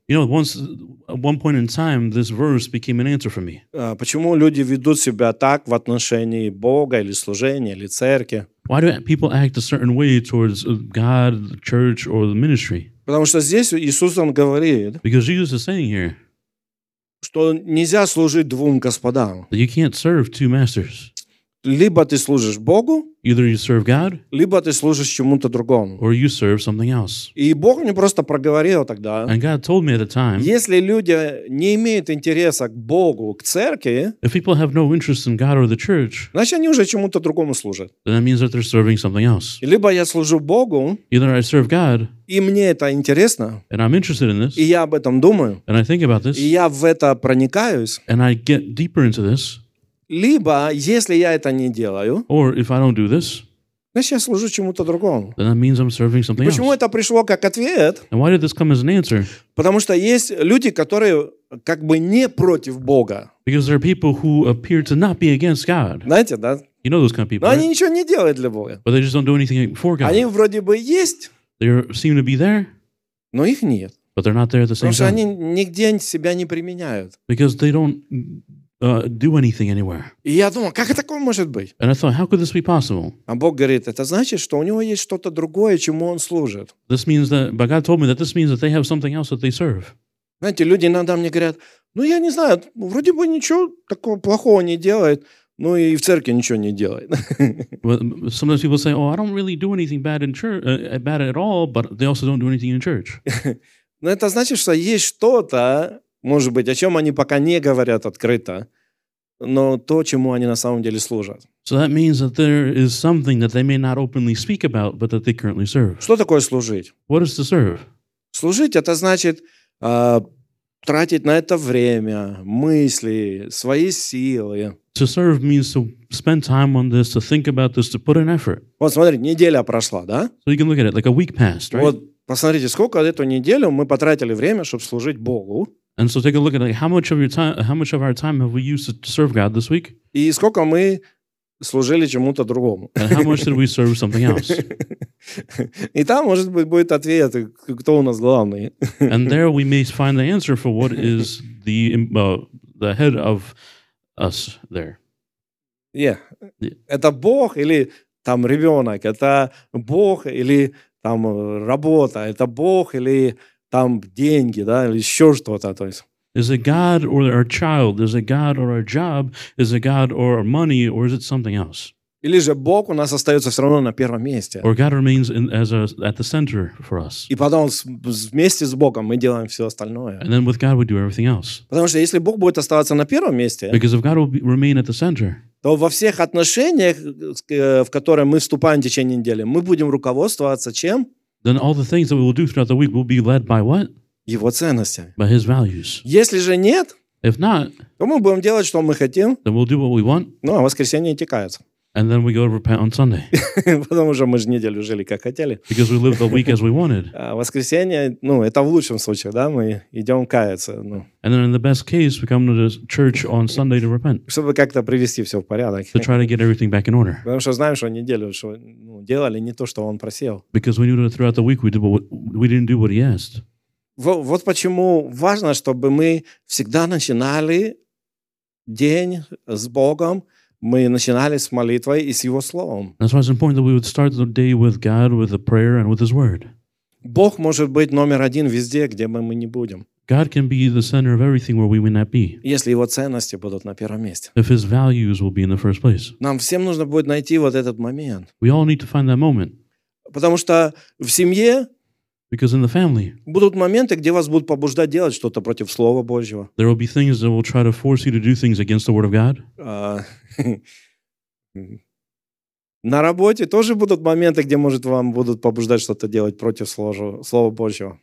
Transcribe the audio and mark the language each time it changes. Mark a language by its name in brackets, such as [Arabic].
[English] You know, once, at one point in time, this verse became an answer for me. [Russian] Почему люди ведут себя так в отношении Бога или служения или церкви? [English] Why do people act a certain way towards God, the church, or the ministry? [Russian] Потому что здесь Иисус он говорит, [English] Because Jesus is saying here, [Russian] что нельзя служить двум господам. [English] That you can't serve two masters. [Russian] Либо ты служишь Богу, [English] Either you serve God, [Russian] либо ты служишь чему-то другому. [English] Or you serve something else. [Russian] И Бог мне просто проговорил тогда, [English] And God told me at the time, [Russian] если люди не имеют интереса к Богу, к церкви, [English] If people have no interest in God or the church, [Russian] значит, они уже чему-то другому служат. [English] Then that means that they're serving something else. [Russian] Либо я служу Богу, [English] Either I serve God, [Russian] и мне это интересно, [English] and I'm interested in this, [Russian] и я об этом думаю, [English] and I think about this, [Russian] и я в это проникаюсь, [English] and I get deeper into this, [Russian] Либо, если я это не делаю, [English] Or if I don't do this, [Russian] значит, я служу чему-то другому. [English] Then that means I'm serving something [Russian] почему [English] else. [Russian] Это пришло как ответ? [English] And why did this come as an answer? [Russian] Потому что есть люди, которые как бы не против Бога. [English] Because there are people who appear to not be against God. [Russian] Знаете, да? [English] You know those kind of people, [Russian] Но [English] right? [Russian] они ничего не делают для Бога. [English] But they just don't do anything for God. [Russian] Они вроде бы есть, [English] they seem to be there, [Russian] но их нет. [English] But they're not there at the same [Russian] Потому что [English] time. [Russian] Они нигде себя не применяют. [English] Because they don't do anything anywhere. [Russian] И я думал, как такое может быть? [English] And I thought, how could this be possible? [Russian] А Бог говорит, это значит, что у него есть что-то другое, чему он служит. [English] This means that, but God told me that this means that they have something else that they serve. [Russian] Знаете, люди иногда мне говорят, ну я не знаю, вроде бы ничего такого плохого не делает, ну и в церкви ничего не делает. [English] Well, sometimes people say, oh, I don't really do anything bad in church, bad at all, but they also don't do anything in church. [Russian] Но это значит, что есть что-то, Может быть, о чем они пока не говорят открыто, но то, чему они на самом деле служат. [English] So that means that there is something that they may not openly speak about, but that they currently serve. [Russian] Что такое служить? [English] What is to serve? [Russian] Служить — это значит тратить на это время, мысли, свои силы. [English] To serve means to spend time on this, to think about this, to put an effort. [Russian] Вот смотрите, неделя прошла, да? [English] So you can look at it like a week passed, right? [Russian] Вот посмотрите, сколько эту неделю мы потратили время, чтобы служить Богу. [English] And so take a look at like how much of our time have we used to serve God this week? [Russian] И сколько мы служили чему-то другому. [English] And how much did we serve something else? [Russian] И там, может быть, будет ответ, кто у нас главный. [English] And there we may find the answer for what is the head of us there. Yeah. [Russian] Это Бог или там ребенок, это Бог или там работа, это Бог или там деньги, да, или еще что-то, то есть. [English] Is it God or our child? Is it God or our job? Is it God or our money? Or is it something else? [Russian] Или же Бог у нас остается все равно на первом месте. [English] Or God remains at the center for us. [Russian] И потом вместе с Богом мы делаем все остальное. [English] And then with God we do everything else. [Russian] Потому что если Бог будет оставаться на первом месте, [English] because if God will remain at the center, [Russian] то во всех отношениях, в которые мы вступаем в течение недели, мы будем руководствоваться чем? [English] Then all the things that we will do throughout the week will be led by what? [Russian] Его ценностями. [English] By his values. [Russian] Если же нет, [English] if not, [Russian] то мы будем делать, что мы хотим. [English] Then we'll do what we want. [Russian] Ну, а воскресенье текает. [English] And then we go to repent on Sunday. [Russian] Потому что мы же неделю жили, как хотели. [English] Because we lived the week as we wanted. [Russian] А воскресенье, ну, это в лучшем случае, да, мы идем каяться. Ну. [English] And then in the best case, we come to the church on Sunday to repent. [Russian] Чтобы как-то привести все в порядок. [English] To try to get everything back in order. [Russian] Потому что знаем, что неделю что, ну, делали не то, что он просил. [English] Because we knew that throughout the week we didn't do what he asked. [Russian] Вот почему важно, чтобы мы всегда начинали день с Богом, мы начинали с молитвой и с Его Словом. [English] That's why it's important that we would start the day with God, with a prayer and with His Word. [Russian] Бог может быть номер один везде, где бы мы ни будем. [English] God can be the center of everything where we may not be. [Russian] Если Его ценности будут на первом месте. [English] If His values will be in the first place. [Russian] Нам всем нужно будет найти вот этот момент. [English] We all need to find that moment. [Russian] Потому что в семье [English] because in the family, [Russian] будут моменты, где вас будут побуждать делать что-то против Слова Божьего. [English] There will be things that will try to force you to do things against the Word of God. [Russian] На работе тоже будут моменты, где может вам будут побуждать что-то делать против Слова Божьего.